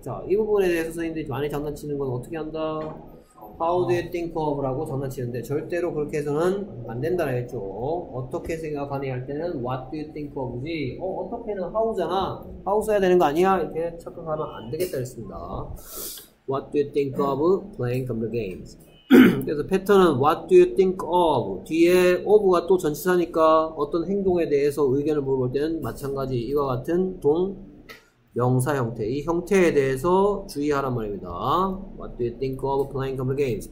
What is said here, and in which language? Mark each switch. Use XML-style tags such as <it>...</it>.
<ko>자 이 부분에 대해서 선생님들이 많이 장난치는 건 어떻게 한다?</ko> <en>How do you think of?</en> <ko>라고 장난치는데 절대로 그렇게 해서는 안 된다 했죠. 어떻게 생각하니 할 때는</ko> <en>What do you think of?</en> <ko>지 어떻게는 How 잖아 How 써야 되는 거 아니야? 이렇게 착각하면 안 되겠다 했습니다.</ko> <en>What do you think of playing computer games?</en> <ko>그래서 패턴은 What do you think of? 뒤에 of가 또 전치사니까 어떤 행동에 대해서 의견을 물어볼 때는 마찬가지 이와 같은 동 명사 형태, 이 형태에 대해서 주의하란 말입니다.</ko> <en>What do you think of playing computer games?</en>